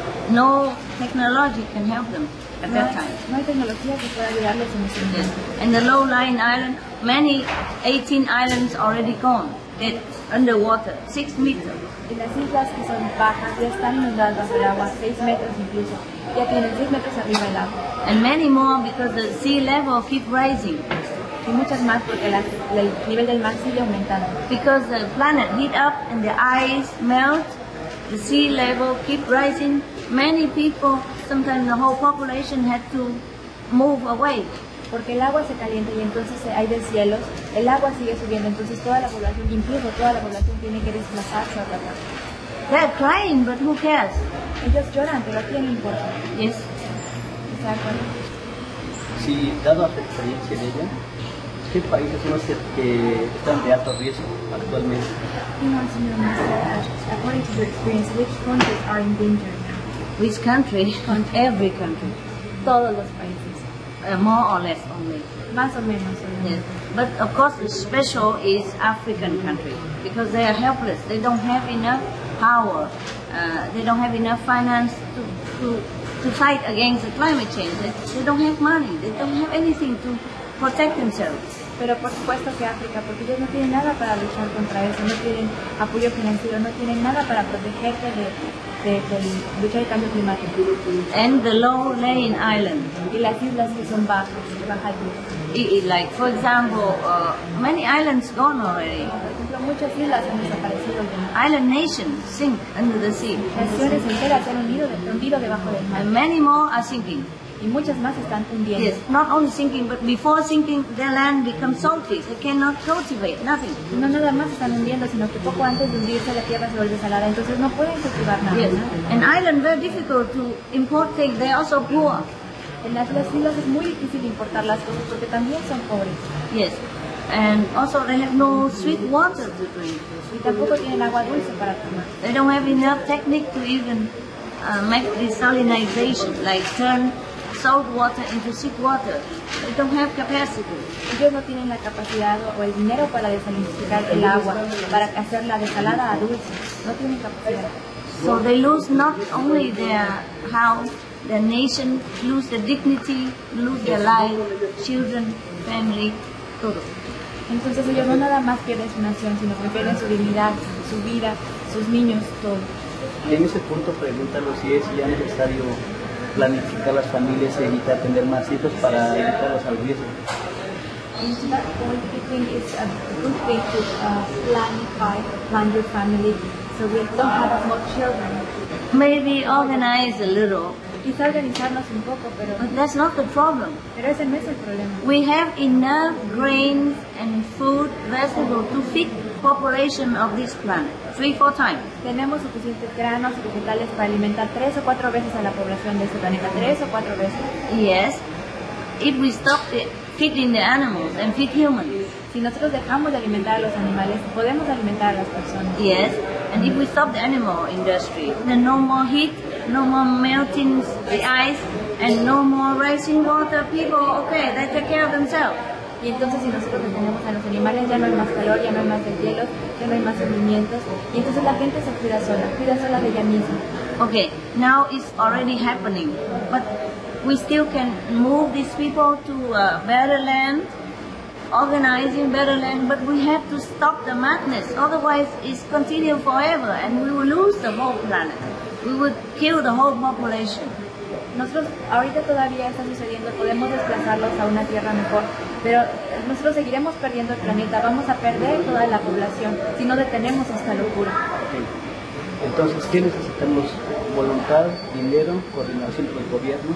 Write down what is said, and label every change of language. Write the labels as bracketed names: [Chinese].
[English] No technology can help them at that time. [Spanish] No hay tecnología que pueda ayudarles en ese momento. [English] And the low-lying island, many 18 islands already gone. It's underwater, 6 meters. [Spanish] Y las islas que son bajas ya están inundadas bajo el agua, [English] 6 meters [Spanish] incluso. Ya tienen 6 [English] meters [Spanish] arriba el agua. [English] And many more because the sea level keep rising. [Spanish] Y muchas más porque el nivel del mar sigue aumentando. [English] Because the planet heat up and the ice melt, the sea level keep rising. Many people, sometimes the whole population had to move away. [Spanish] Porque el agua se calienta y entonces hay deshielos, el agua sigue subiendo, entonces toda la población, incluso toda la población tiene que desplazarse a otra parte. [English] They are crying, but who cares? [Spanish] Ellos lloran, pero ¿a quién le importa? [English] Yes. [Spanish] ¿Está de acuerdo? Sí, dado la experiencia de ella, ¿qué países son los que están de alto riesgo actualmente? No, señor, no sé. [English] According to your experience, which countries are in danger now? Which country? Every country. [Spanish] Todos los países. [English] More or less only. [Spanish] Más o menos. [English] Yes. But of course the special is African countries because they are helpless. They don't have enough power. They don't have enough finance to fight against the climate change. They don't have money. They don't have anything to protect themselves. [Spanish] Pero por supuesto que África, porque ellos no tienen nada para luchar contra eso. No tienen apoyo financiero, no tienen nada para protegerse de luchar el cambio climático. [English] And the low-lying islands. [Spanish] Y las islas que son bajas, bajas. [English] Like, for example, many islands gone already. [Spanish] Por ejemplo, muchas islas han desaparecido. [English] Island nations sink under the sea. [Spanish] Naciones enteras se han hundido debajo del mar. [English] And many more are sinking. [Spanish] Y muchas más están hundiendo. [English] Yes, not only sinking, but before sinking, their land becomes salty. They cannot cultivate nothing. [Spanish] No nada más están hundiendo, sino que poco antes de hundirse la tierra se vuelve salada, entonces no pueden cultivar nada. [English] Yes, an island very difficult to import things. They are also poor. [Spanish] En las islas es muy difícil importar las cosas porque también son pobres. [English] Yes, and also they have no sweet water to drink. [Spanish] Y tampoco tienen agua dulce para tomar. [English] They don't have enough technique to even make desalinization, like turn salt water into sea water. They don't have capacity. [Spanish] Ellos no tienen la capacidad o el dinero para desalinizar el agua, para hacerla desalada a dulce. No tienen capacidad. [English] So they lose not only their house, their nation, lose their dignity, lose their life, children, family, [Spanish] todo. Entonces ellos no nada más pierden su nación, sino que pierden su dignidad, su vida, sus niños, todo. Y en ese punto pregúntalo si es ya necesario planificar las familias y evitar tener más hijos para evitarlos al riesgo. [English] Is that point, you think it's a good way to plan your family so we don't have more children? Maybe organize a little. [Spanish] Quizá organizarnos un poco, pero... [English] But that's not the problem. [Spanish] Pero ese no es el problema. [English] We have enough grains and food, vegetables to feed population of this planet 3-4 times. [Spanish] Tenemos suficientes granos y vegetales para alimentar 3 o 4 veces a la población de este planeta. 3 o 4 veces. [English] Yes. If we stop feeding the animals and feed humans. [Spanish] Si nosotros dejamos de alimentar a los animales, podemos alimentar a las personas. [English] Yes. And if we stop the animal industry, then no more heat, no more melting the ice, and no more rising water. People, okay, they take care of themselves. [Spanish] Y entonces si nosotros detenemos a los animales, ya no hay más calor, ya no hay más deshielo, ya no hay más hundimientos. Y entonces la gente se cuida sola de ella misma. [English] Okay, now it's already happening. But we still can move these people to a better land, organizing better land, but we have to stop the madness. Otherwise it's continue forever and we will lose the whole planet. We would kill the whole population. [Spanish] Nosotros ahorita todavía está sucediendo, podemos desplazarlos a una tierra mejor, pero nosotros seguiremos perdiendo el planeta, vamos a perder toda la población si no detenemos esta locura. Okay. Entonces, ¿qué necesitamos? ¿Voluntad, dinero, coordinación con los gobiernos?